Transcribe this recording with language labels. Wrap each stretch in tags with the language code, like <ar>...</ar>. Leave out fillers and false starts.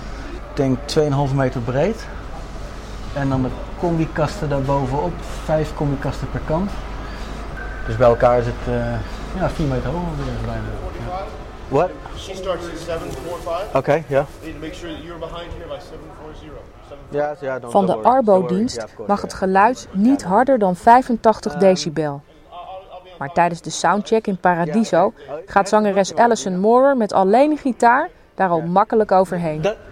<nl>Ik denk 2,5 meter breed. En dan de combikasten daarbovenop, 5 combikasten per kant. Dus bij elkaar is het 4 meter hoog bijna.</nl> <en>Yeah. What? She starts at 745. Okay, yeah. You need to make sure that you're behind here by 740.</en> <nl>Van de Arbo-dienst mag het geluid niet harder dan 85 decibel. Maar tijdens de soundcheck in Paradiso gaat zangeres Alison Moorer met alleen gitaar daar al makkelijk overheen.</nl>